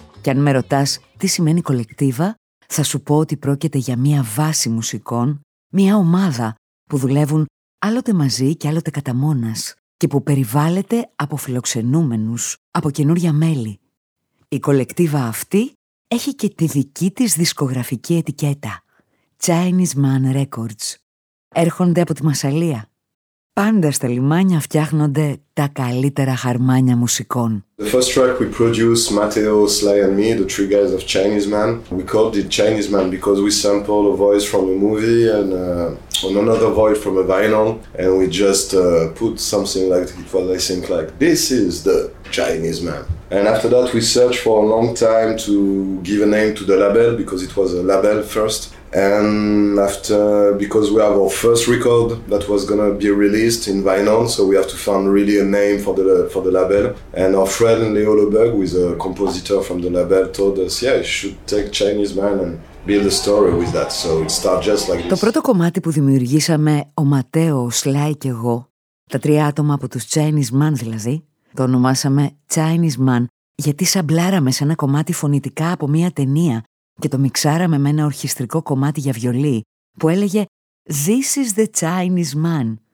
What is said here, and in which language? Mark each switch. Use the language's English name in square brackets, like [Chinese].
[Greek] Και αν με ρωτάς τι σημαίνει κολεκτίβα, θα σου πω ότι πρόκειται για μια βάση μουσικών, μια ομάδα που δουλεύουν άλλοτε μαζί και άλλοτε κατά μόνας και που περιβάλλεται από φιλοξενούμενους, από καινούρια μέλη. Η κολεκτίβα αυτή έχει και τη δική της δισκογραφική ετικέτα. Chinese Man Records. Έρχονται από τη Μασσαλία. Πάντα στα λιμάνια φτιάχνονται τα καλύτερα χαρμάνια μουσικών. [English] The first track we produced, Matteo, Sly and me, the three guys of Chinese Man. We called it Chinese Man because we sampled a voice from a movie and on another voice from a vinyl, and we just put something like it was, I think, like this is the Chinese Man. And after that, we searched for a long time to give a name to the label because it was a label first. And after, because we have our first record that was gonna be released in vinyl, so we have to find really a name for the label. And our friend Leo Leberg, who is a compositor from the label, told us, yeah, you should take Chinese Man and build a story with that. So it started just like this. [Greek] Το πρώτο κομμάτι που δημιουργήσαμε, ο Ματέο, ο Σλάι και εγώ, τα τρία άτομα από τους Chinese Man δηλαδή, το ονομάσαμε Chinese Man, γιατί σαμπλάραμε σε ένα κομμάτι φωνητικά από μια ταινία και το μιξάραμε με ένα ορχιστρικό κομμάτι για βιολί που έλεγε [English] «This is the Chinese Man».